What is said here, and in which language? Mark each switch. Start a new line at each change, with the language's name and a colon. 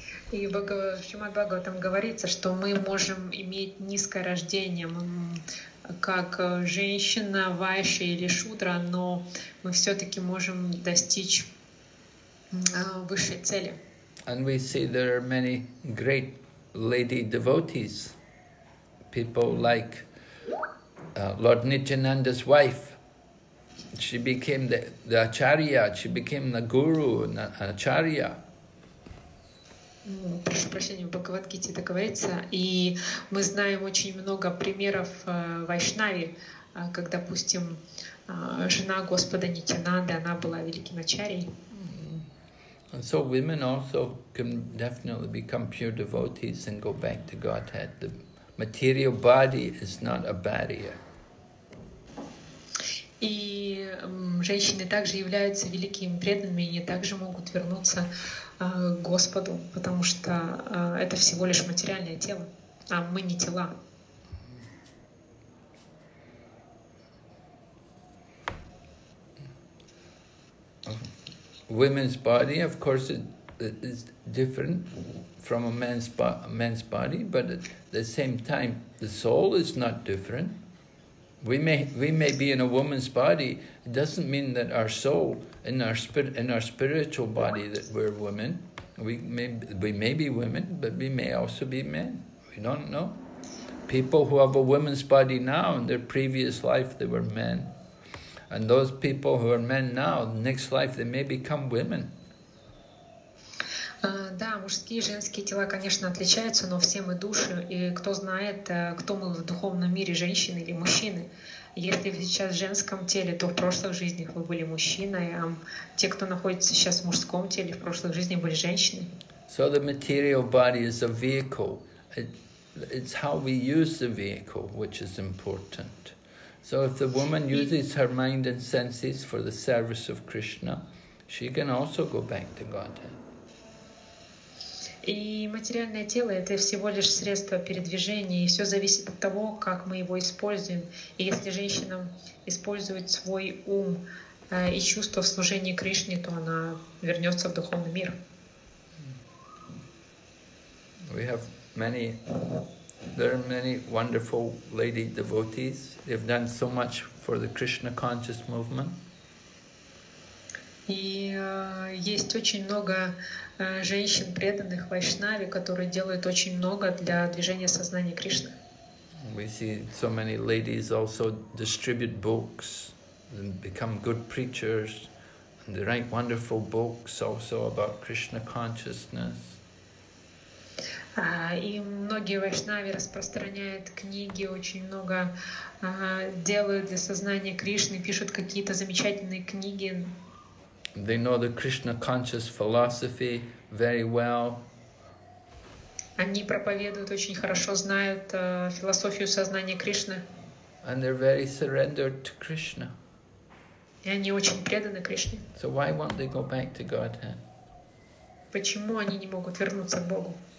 Russian: И в Шримад-Бхагаватам говорится, что мы можем иметь низкое рождение, как женщина, вайша или шудра, но мы все-таки можем достичь высшей цели.
English: And we see there are many great lady devotees, people like Lord Nityananda's wife. She became the acharya, she became the guru, an acharya.
Russian: Прошу прощения, в Бхагавад-гите это говорится, и мы знаем очень много примеров вайшнави, как, допустим, жена Господа Нитянанды, она была великим ачарьей.
English: And so women also can definitely become pure devotees and go back to Godhead. The material body is not a barrier.
Russian: И женщины также являются великими преданными, и они также могут вернуться Господу, потому что это всего лишь материальное тело, а мы не тела.
English: Women's body, of course, is different from a man's body, but at the same time, the soul is not different. We may be in a woman's body. It doesn't mean that our soul in our spirit in our spiritual body that we're women. We may be women, but we may also be men. We don't know. People who have a woman's body now in their previous life they were men, and those people who are men now next life they may become women.
Russian: Да, мужские и женские тела, конечно, отличаются, но все мы души, и кто знает, кто мы в духовном мире, женщины или мужчины. Если вы сейчас в женском теле, то в прошлых жизнях вы были мужчиной, а те, кто находится сейчас в мужском теле, в прошлых жизнях были женщины.
English: So the material body is a vehicle. It's how we use the vehicle, which is important. So if the woman uses her mind and senses for the service of Krishna, she can also go back to Godhead.
Russian: И материальное тело — это всего лишь средство передвижения, и все зависит от того, как мы его используем. И если женщина использует свой ум и чувство в служении Кришне, то она вернется в духовный мир.
English: We have many, there are many wonderful lady devotees. They've done so much for the Krishna conscious movement.
Russian: И есть очень много женщин преданных вайшнави, которые делают очень много для движения сознания Кришны.
English: We see so many ladies also distribute books and become good preachers and they write wonderful books also about Krishna consciousness.
Russian: И многие вайшнави распространяют книги, очень много делают для сознания Кришны, пишут какие-то замечательные книги.
English: They know the Krishna conscious philosophy very well.
Russian: Они проповедуют очень хорошо, знают философию сознания Кришны.
English: And they're very surrendered to Krishna.
Russian: И они очень преданы Кришне.
English: So why won't they go back to Godhead?
Russian: Почему они не могут вернуться к Богу?